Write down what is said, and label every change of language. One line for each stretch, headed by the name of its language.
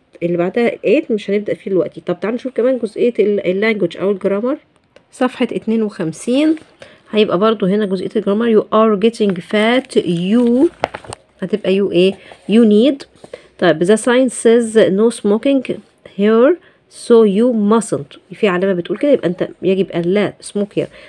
Arabic: اللي بعدها 8 مش هنبدأ فيه دلوقتي. طب تعالوا نشوف كمان جزئية اللانجوج أو الجرامر صفحة 52. هيبقى برضو هنا جزئية الجرامر.
English: You are getting fat. You
Arabic: هتبقى
English: you
Arabic: ايه؟
English: You need. طيب the sign says no smoking here so you mustn't.
Arabic: في علامة بتقول كده يبقى انت يجب ان لا
English: smoke here.